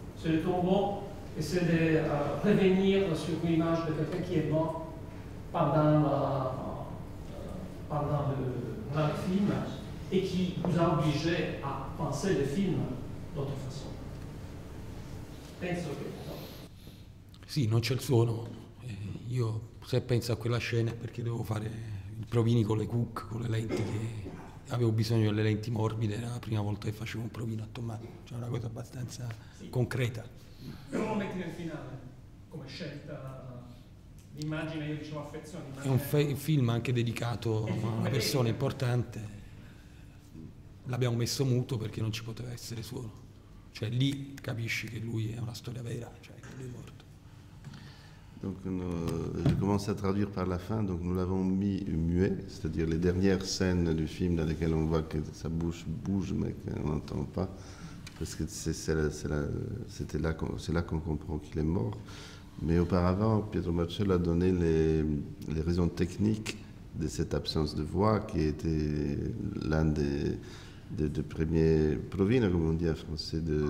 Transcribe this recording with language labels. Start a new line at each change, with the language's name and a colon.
French: C'est le tombeau, et c'est de revenir sur une image de quelqu'un qui est mort pendant le film, et qui nous a obligé à penser le film d'autre façon.
Italian: Penso che. Sì, non c'è il suono. Io se penso a quella scena perché devo fare i provini con le Cook, con le lenti che avevo bisogno delle lenti morbide, era la prima volta che facevo un provino a Tommaso, c'è cioè una cosa abbastanza sì. Concreta. Però lo metti nel finale come scelta l'immagine, io dicevo affezione. È un film anche dedicato a una persona importante. L'abbiamo messo muto perché non ci poteva essere suono. Cioè lì capisci che lui è una storia vera, cioè che lui è morto.
French: Donc, je commence à traduire par la fin. Donc, nous l'avons mis muet, c'est-à-dire les dernières scènes du film dans lesquelles on voit que sa bouche bouge, mais qu'on n'entend pas, parce que c'est là qu'on comprend qu'il est mort. Mais auparavant, Pietro Marcello a donné les raisons techniques de cette absence de voix, qui était l'un des premiers provines, comme on dit en français,